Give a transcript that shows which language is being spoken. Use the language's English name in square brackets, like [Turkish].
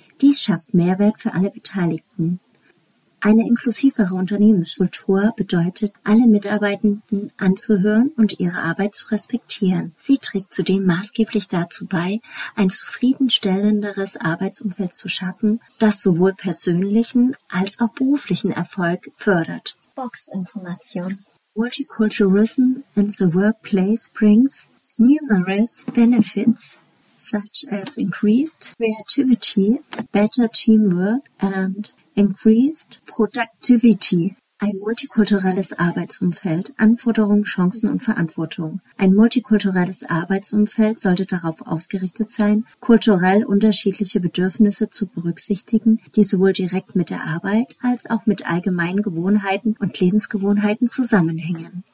[German] Dies schafft Mehrwert für alle Beteiligten. Eine inklusivere Unternehmenskultur bedeutet, alle Mitarbeitenden anzuhören und ihre Arbeit zu respektieren. Sie trägt zudem maßgeblich dazu bei, ein zufriedenstellenderes Arbeitsumfeld zu schaffen, das sowohl persönlichen als auch beruflichen Erfolg fördert. Boxinformation. [English] Multiculturalism in the workplace brings numerous benefits, such as increased creativity, better teamwork and increased productivity. [German] Ein multikulturelles Arbeitsumfeld, Anforderungen, Chancen und Verantwortung. Ein multikulturelles Arbeitsumfeld sollte darauf ausgerichtet sein, kulturell unterschiedliche Bedürfnisse zu berücksichtigen, die sowohl direkt mit der Arbeit als auch mit allgemeinen Gewohnheiten und Lebensgewohnheiten zusammenhängen.